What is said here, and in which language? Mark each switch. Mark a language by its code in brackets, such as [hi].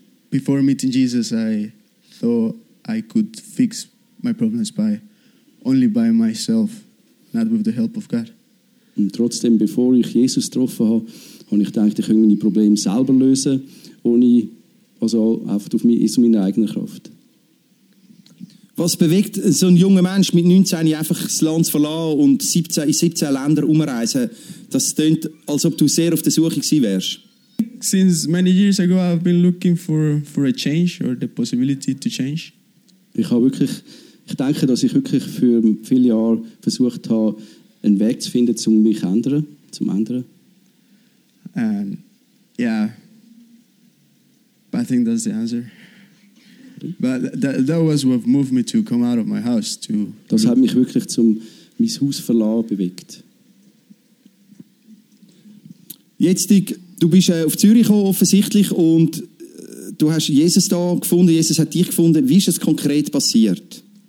[en] Before meeting Jesus, I thought I could fix my problems only by myself, not with the help of God. [de] Und trotzdem, bevor ich Jesus getroffen habe, und ich dachte, ich könnte meine Probleme selber lösen, ohne, also einfach auf meine eigene Kraft. Was bewegt so einen jungen Mensch mit 19 einfach das Land zu verlassen und 17, in 17 Länder umreisen? Das klingt, als ob du sehr auf der Suche gewesen wärst. [en] Since many years ago, I've been looking for a change or the possibility to change. [de] Ich denke, dass ich wirklich für viele Jahre versucht habe, einen Weg zu finden, um mich zu ändern. [en] Yeah, I think that's the answer. But that was what moved me to come out of my house. [de] Das hat mich wirklich zum mein Haus verlassen bewegt. Jetzt, Dick, du bist auf Zürich gekommen, offensichtlich, und du hast Jesus da gefunden, Jesus hat dich gefunden. Wie ist das konkret passiert?